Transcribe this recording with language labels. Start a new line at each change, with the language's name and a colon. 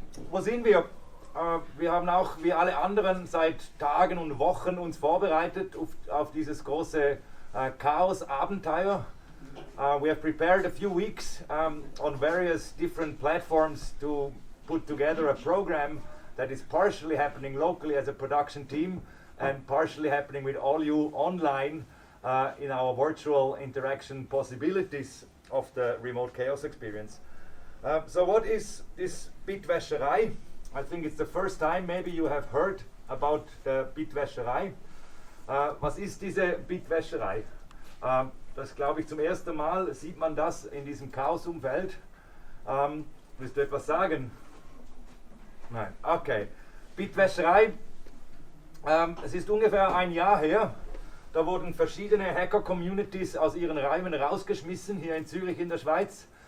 German: Wo sind wir? Wir haben auch, wie alle anderen, seit Tagen und Wochen uns vorbereitet auf dieses große Chaos-Abenteuer.
English: We have prepared a few weeks on various different platforms to put together a program that is partially happening locally as a production team and partially happening with all you online. In our virtual interaction possibilities of the remote chaos experience. So what is this Bitwäscherei? I think it's the first time maybe you have heard about the Bitwäscherei.
German: Was ist diese Bitwäscherei? Das glaube ich zum ersten Mal sieht man das in diesem Chaos-Umfeld. Willst du etwas sagen? Nein, okay. Bitwäscherei, es ist ungefähr ein Jahr her. Da wurden verschiedene Hacker-Communities aus ihren Reimen rausgeschmissen, hier in Zürich in der Schweiz.